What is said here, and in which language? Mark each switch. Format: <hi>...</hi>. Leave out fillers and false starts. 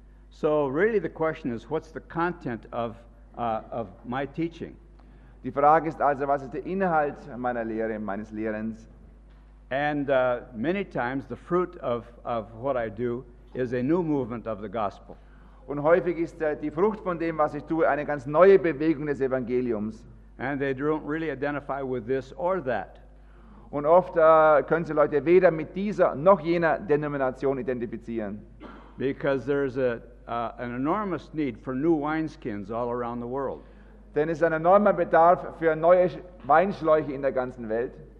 <en>So really the question is, what's the content of my teaching?</en> <de>Die Frage ist also, was ist der Inhalt meiner Lehre, meines Lehrens?</de> <en>And many times the fruit of what I do is a new movement of the gospel.</en> <de>Und häufig ist die Frucht von dem, was ich tue, eine ganz neue Bewegung des Evangeliums.</de> <en>And they don't really identify with this or that.</en> <de>Und oft können sie Leute weder mit dieser noch jener Denomination identifizieren.</de> <en>Because there's an enormous need for new wineskins all around the world.</en> <de>Denn es ist ein enormer Bedarf für neue Weinschläuche in der ganzen Welt.</de>